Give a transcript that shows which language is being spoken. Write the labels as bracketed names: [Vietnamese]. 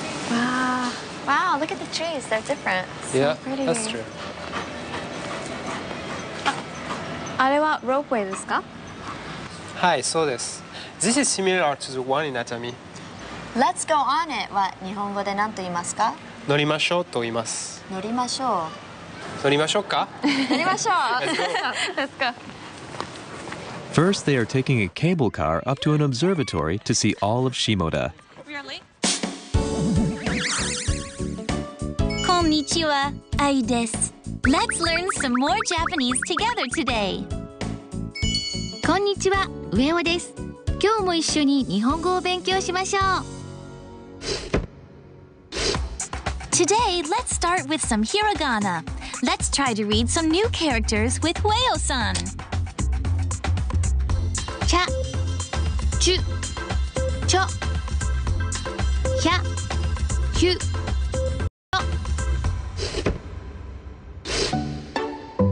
[English] Wow, look at the trees, they're different. Yeah, so pretty. That's true. Are they ropeway [Japanese] desu ka? [English] Hi, so this. This is similar to the one in Atami. Let's go on it [Japanese] は日本語で何と言いますか乗りましょうと言います。乗りましょう。乗りましょうか乗りましょう。 [English] Let's go. First, they are taking a cable car up to an observatory to see all of Shimoda. [Japanese] Konnichiwa, Ai desu. [English] Let's learn some more Japanese together today. [Japanese] Konnichiwa, Ueo desu. 今日も一緒に日本語を勉強しましょう。 [English] Today, let's start with some hiragana. Let's try to read some new characters with Ueo-san. [Japanese] Cha, chu, cho, hya, hyu, cho.